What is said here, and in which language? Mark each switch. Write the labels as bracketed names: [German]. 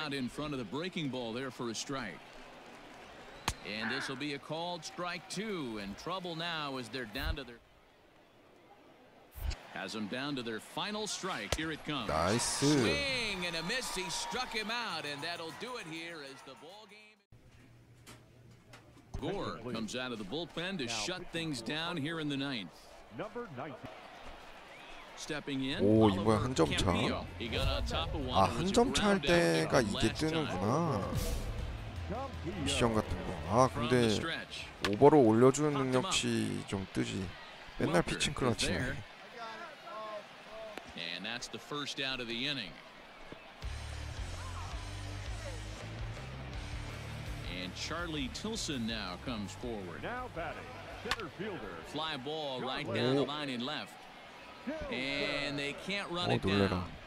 [English] out in front of the breaking ball there for a strike. And this will be a called strike two, and trouble now as they're down to their has them down to their final strike. Here it comes. Nice. Swing and a miss. He struck him out, and that'll do it here as the ball game. Gore comes out of the bullpen to shut things down here in the ninth. Number 19. Stepping in. [Korean] 오, 이번에 한 점 차. 아, 한 점 차 할 때가 이게 뜨는구나. 미션 같은 거. 아 근데 오버로 올려주는 능력치 좀 뜨지. 맨날 피칭 클러치. [English] And that's the first out of the inning. And Charlie Tilson now comes forward. Now batting, center fielder. Fly ball right down the line and left. And they can't run it down.